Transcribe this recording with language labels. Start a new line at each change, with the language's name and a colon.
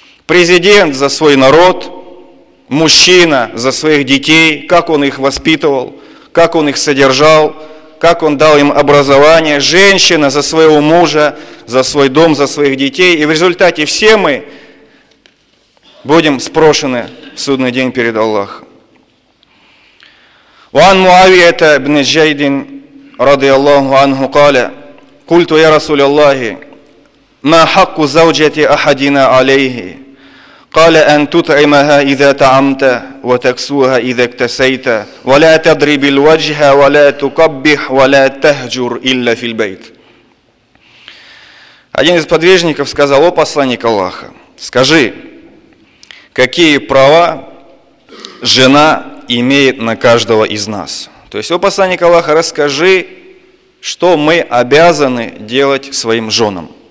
Russian: Президент за свой народ, мужчина за своих детей, как он их воспитывал, как он их содержал, как он дал им образование, женщина за своего мужа, за свой дом, за своих детей. И в результате все мы будем спрошены в судный день перед Аллахом.
Arabic: وعن معاوية بن جيد رضي الله عنه قال قلت يا رسول الله ما حق زوجة أحدنا عليه قال أن تطعمها إذا طعمت وتكسوها إذا اكتسيت ولا تضرب الوجه ولا تقبح ولا تهجر إلا في البيت.
Russian: Один из подвижников сказал: о посланник Аллаха, скажи, какие права жена имеет на каждого из нас. То есть, о посланник Аллаха, расскажи, что мы обязаны делать своим женам.